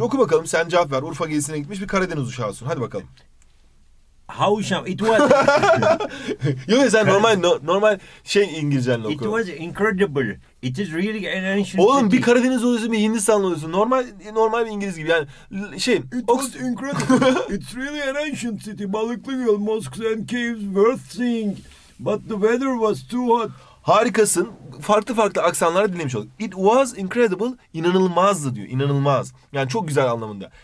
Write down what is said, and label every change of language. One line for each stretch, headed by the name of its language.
Turkish: Oku bakalım sen cevap ver. Urfa gezisine gitmiş bir Karadeniz uşağısın. Hadi bakalım.
English: How sham it was.
Turkish: Yok sen normal şey İngilizcenle oku.
English: It was incredible. It is really an ancient.
Turkish: Oğlum bir Karadeniz oluyorsun bir Hindistanlı oluyorsun. Normal bir İngiliz gibi yani şey.
English: It was incredible. It's really an ancient city. Balıklı göl, mosques and caves worth seeing. But the weather was too hot.
Turkish: Harikasın. Farklı farklı aksanlarla dinlemiş olduk.
English: It was incredible.
Turkish: İnanılmazdı diyor. İnanılmaz. Yani çok güzel anlamında.